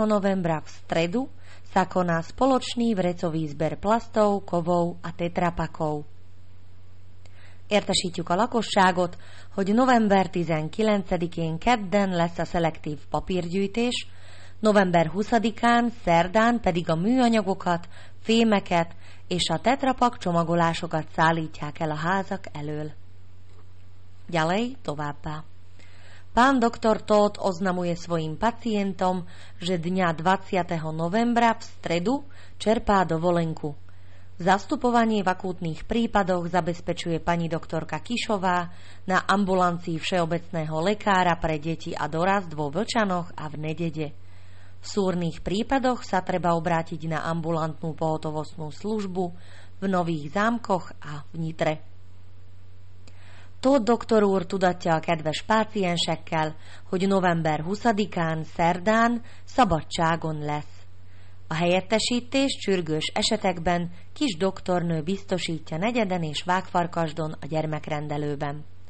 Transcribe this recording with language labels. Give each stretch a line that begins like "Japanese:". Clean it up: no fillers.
Slovak: novembra v stredu sa koná spoločný vrecový zber plastov, kovov a tetrapakov.
Hungarian: Értesítjük a lakosságot, hogy november 19-én kedden lesz a szelektív papírgyűjtés, november 20-án, szerdán pedig a műanyagokat, fémeket és a tetrapak csomagolásokat szállítják el a házak elől.
Slovak: Ďalej
Hungarian: továbbá.
Slovak: Pán doktor Tóth oznamuje svojim pacientom, že dňa 20. novembra v stredu čerpá dovolenku. Zastupovanie v akútnych prípadoch zabezpečuje pani doktorka Kišová na ambulancii všeobecného lekára pre deti a dorast vo Vlčanoch a v Nedede. V súrnych prípadoch sa treba obrátiť na ambulantnú pohotovostnú službu v Nových Zámkoch a v Nitre.
Hungarian: Tóth doktor úr tudatja a kedves páciensekkel, hogy november 20-án, szerdán szabadságon lesz. A helyettesítés sürgős esetekben kis doktornő biztosítja Negyeden és Vágfarkasdon a gyermekrendelőben.